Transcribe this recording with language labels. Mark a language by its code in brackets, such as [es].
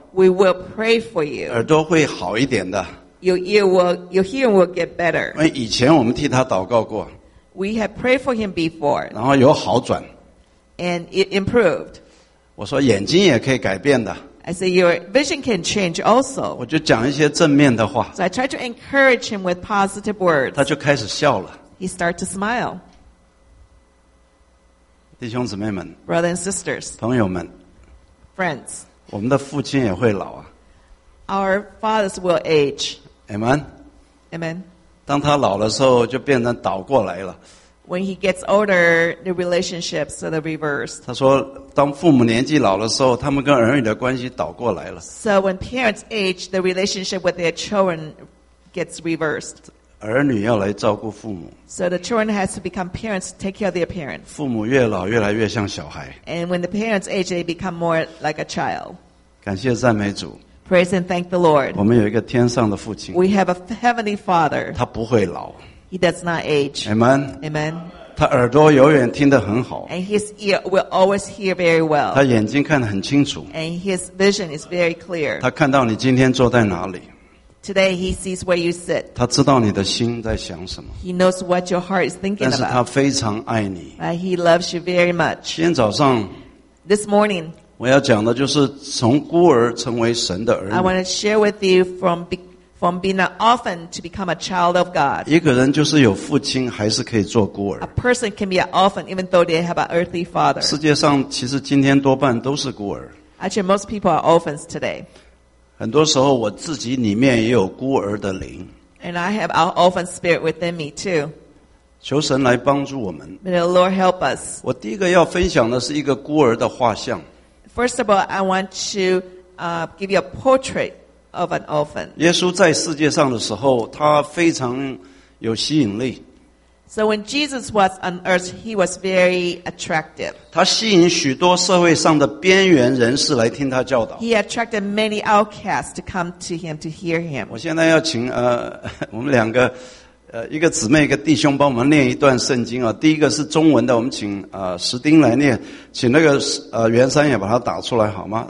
[en] We will pray for you. [zh] 耳朵会好一点的。 [en] Your hearing will get better. [zh] 因为以前我们替他祷告过。 [en] We have prayed for him before. [zh] 然后有好转。 [en] And it improved. [zh] 我说眼睛也可以改变的。 [en] I say your vision can change also. [zh] 我就讲一些正面的话。 [en] So I try to encourage him with positive words. [zh] 他就开始笑了。 [en] He started to smile. [zh] 弟兄姊妹们。 [en] Brothers and sisters. [zh] 朋友们。 [en] Friends. [zh] 我们的父亲也会老啊。 [en] Our fathers will age. Amen. Amen. [zh] 当他老的时候就变成倒过来了。 [en] When he gets older, the relationship sort of reversed. [zh] 他说当父母年纪老的时候，他们跟儿女的关系倒过来了。 [en] So when parents age, the relationship with their children gets reversed. [zh] 儿女要来照顾父母。 [en] So the children has to become parents, take care of their parents. [zh] 父母越老越来越像小孩。 [en] And when the parents age, they become more like a child. [zh] 感谢赞美主。 [en] Praise and thank the Lord. [zh] 我们有一个天上的父亲。 [en] We have a heavenly father. [zh] 他不会老。 [en] He does not age. Amen. Amen. [zh] 他耳朵永远听得很好。 [en] And his ear will always hear very well. [zh] 他眼睛看得很清楚。 [en] And his vision is very clear. [zh] 他看到你今天坐在哪里。 [en] Today he sees where you sit. [zh] 他知道你的心在想什么。 [en] He knows what your heart is thinking about. [zh] 但是他非常爱你。 [en] He loves you very much. [zh] 今天早上 [en] This morning, [zh] 我要讲的就是从孤儿成为神的儿女。 [en] I want to share with you from being an orphan to become a child of God. [zh] 一个人就是有父亲还是可以做孤儿。 [en] A person can be an orphan even though they have an earthly father. [zh] 世界上其实今天多半都是孤儿。 [en] Actually, most people are orphans today. [zh] 很多时候我自己里面也有孤儿的灵。 [en] And I have an orphan spirit within me too. [zh] 求神来帮助我们。 [en] May the Lord help us. [zh] 我第一个要分享的是一个孤儿的画像。 [en] First of all, I want to give you a portrait. Of an orphan. [zh] 耶稣在世界上的时候，他非常有吸引力。 [en] So when Jesus was on earth, he was very attractive. [zh] 他吸引许多社会上的边缘人士来听他教导。 [en] He attracted many outcasts to come to him to hear him. [zh] 我现在要请我们两个一个姊妹一个弟兄帮我们念一段圣经啊。第一个是中文的，我们请石丁来念，请那个袁山也把它打出来好吗？